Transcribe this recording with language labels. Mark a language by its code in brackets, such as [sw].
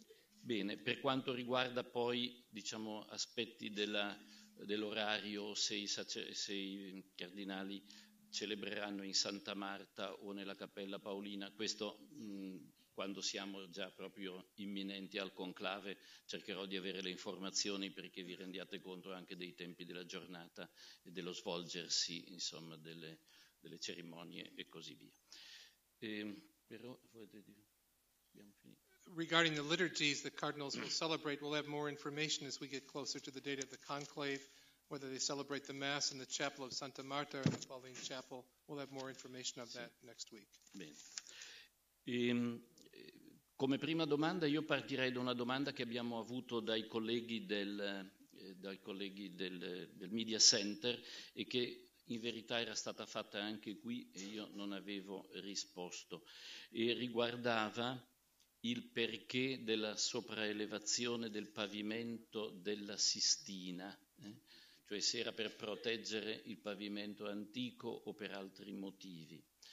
[it] Bene, per quanto riguarda poi, diciamo, aspetti dell'orario, se i cardinali celebreranno in Santa Marta o nella Cappella Paolina, questo quando siamo già proprio imminenti al conclave, cercherò di avere le informazioni perché vi rendiate conto anche dei tempi della giornata e dello svolgersi, insomma, delle cerimonie e così via. Però volete dire? Abbiamo finito. [en] Regarding the liturgies the cardinals will celebrate, we'll have more information as we get closer to the date of the conclave, whether they celebrate the Mass in the Chapel of Santa Marta or the Pauline Chapel. We'll have more information of that next week. [it] Bene. Come prima domanda io partirei da una domanda che abbiamo avuto dai colleghi del Media Center e che in verità era stata fatta anche qui e io non avevo risposto. E riguardava il perché della sopraelevazione del pavimento della Sistina, cioè se era per proteggere il pavimento antico o per altri motivi.